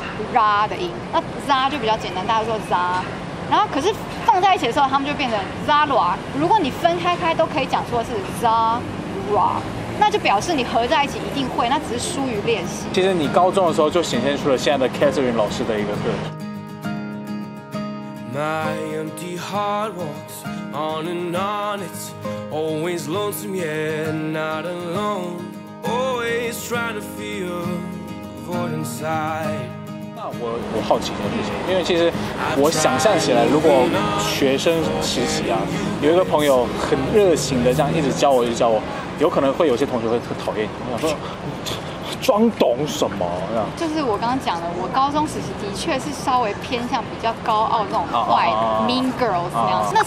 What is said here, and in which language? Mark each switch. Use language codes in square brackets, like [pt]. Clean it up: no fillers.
[zh] Ra 的音，那 Za 就比较简单，大家说 Za，然后可是放在一起的时候他们就变成 Zara， 如果你分开开都可以讲说是 Zara， 那就表示你合在一起一定会，那只是疏于练习。其实你高中的时候就显现出了现在的 Catherine 老师的一个特质。 [en] My empty heart walks on and on, it's always lonesome, yeah, not alone, always trying to feel void inside。 [zh] 我好奇一件事情，因为其实我想象起来，如果学生时期啊，有一个朋友很热情的这样一直教我，一直教我，有可能会有些同学会特讨厌你，我想说装懂什么这样。就是我刚刚讲的，我高中时期的确是稍微偏向比较高傲那种坏的、mean girls 那样子。